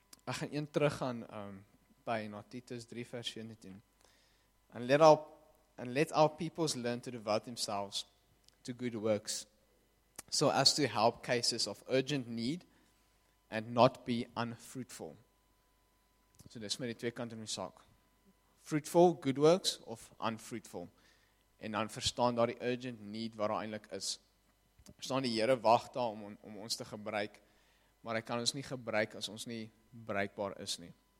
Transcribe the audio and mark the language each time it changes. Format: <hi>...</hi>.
<af>Ek gaan een terug gaan by na Titus 3 vers 17.</af> <en>And let all peoples learn to devote themselves to good works, so as to help cases of urgent need and not be unfruitful.</en> <af>So dis met die twee kante in die saak.</af> <en>Fruitful, good works,</en> <af>of</af> <en>unfruitful.</en> <af>En dan verstaan daar die urgent need wat daar eintlik is. Verstaan die Here wag daar om ons te gebruik, maar hy kan ons nie gebruik as ons nie bruikbaar is nie.</af>